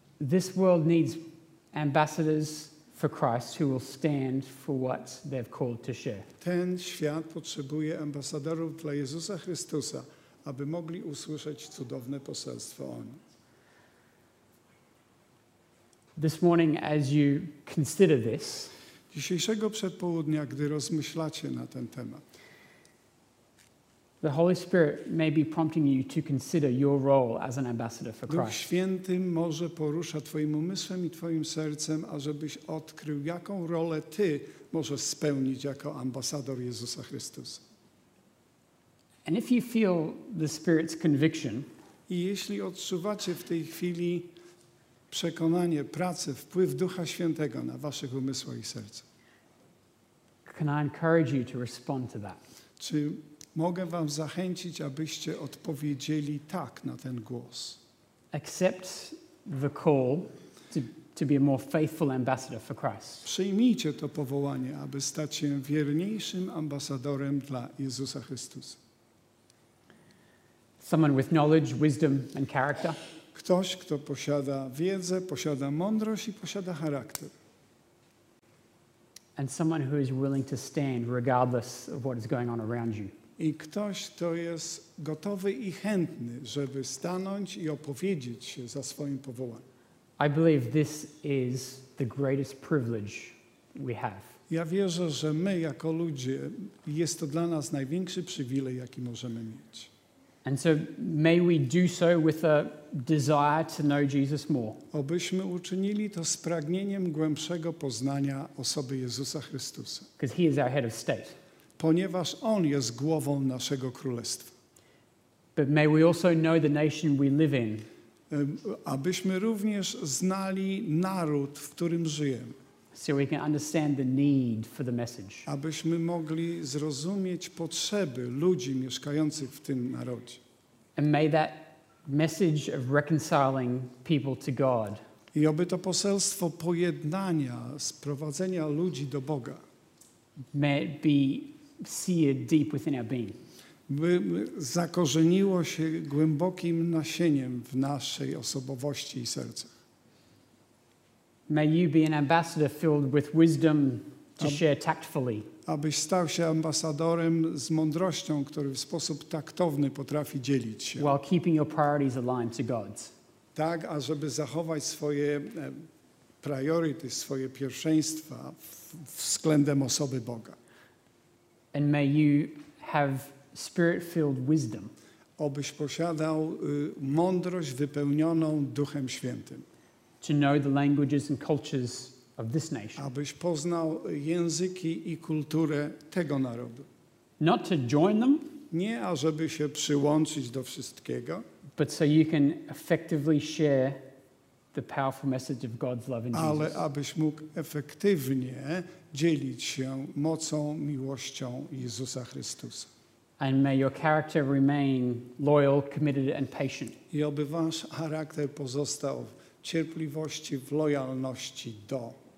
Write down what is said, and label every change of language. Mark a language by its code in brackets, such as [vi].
[en] This world needs ambassadors for Christ who will stand for what they've called to share. [pl] Ten świat potrzebuje ambasadorów dla Jezusa Chrystusa, aby mogli usłyszeć cudowne poselstwo o nim. [en] This morning, as you consider this, [pl] dzisiejszego przedpołudnia, gdy rozmyślacie na ten temat, [en] the Holy Spirit may be prompting you to consider your role as an ambassador for Christ. [pl] Duch Święty może porusza twoim umysłem i twoim sercem, ażebyś odkrył, jaką rolę ty możesz spełnić jako ambasador Jezusa Chrystusa. [en] And if you feel the Spirit's conviction, [pl] i jeśli odczuwacie w tej chwili przekonanie, pracę, wpływ Ducha Świętego na waszych umysłach i serce, [en] can I encourage you to respond to that? [pl] Czy mogę wam zachęcić, abyście odpowiedzieli tak na ten głos? [en] Accept the call to be a more faithful ambassador for Christ. [pl] Przyjmijcie to powołanie, aby stać się wierniejszym ambasadorem dla Jezusa Chrystusa. [en] Someone with knowledge, wisdom and character. [pl] Ktoś, kto posiada wiedzę, posiada mądrość i posiada charakter. [en] And someone who is willing to stand regardless of what is going on around you. [pl] I ktoś, kto jest gotowy i chętny, żeby stanąć i opowiedzieć się za swoim powołaniem. [en] I believe this is the greatest privilege we have. [pl] Ja wierzę, że my jako ludzie, jest to dla nas największy przywilej, jaki możemy mieć. [en] And so may we do so with a desire to know Jesus more. [pl] Obyśmy uczynili to z pragnieniem głębszego poznania osoby Jezusa Chrystusa. [en] Because he is our head of state. [pl] Ponieważ on jest głową naszego królestwa. [en] But may we also know the nation we live in. [pl] Abyśmy również znali naród, w którym żyjemy. [en] So we can understand the need for the message. [pl] Abyśmy mogli zrozumieć potrzeby ludzi mieszkających w tym narodzie. [en] And may that message of reconciling people to God. [pl] I oby to poselstwo pojednania, sprowadzenia ludzi do Boga. [en] May it be seared deep within our being. [pl] By zakorzeniło się głębokim nasieniem w naszej osobowości i sercu. [en] May you be an ambassador filled with wisdom to share tactfully. [pl] Abyś stał się ambasadorem z mądrością, który w sposób taktowny potrafi dzielić się. [en] While keeping your priorities aligned to God's. [pl] Tak, ażeby zachować swoje priority, swoje pierwszeństwa względem osoby Boga. [en] And may you have spirit-filled wisdom. [pl] Obyś posiadał mądrość wypełnioną Duchem Świętym. [en] To know the languages and cultures of this nation. [pl] Abyś poznał języki i kulturę tego narodu. [en] Not to join them. [pl] Nie, ażeby się przyłączyć do wszystkiego. [en] But so you can effectively share the powerful message of God's love in Jesus. [pl] Ale abyś mógł efektywnie dzielić się mocą, miłością Jezusa Chrystusa. [en] And may your character remain loyal, committed and patient. [pl] I oby wasz charakter pozostał cierpliwości, w lojalności do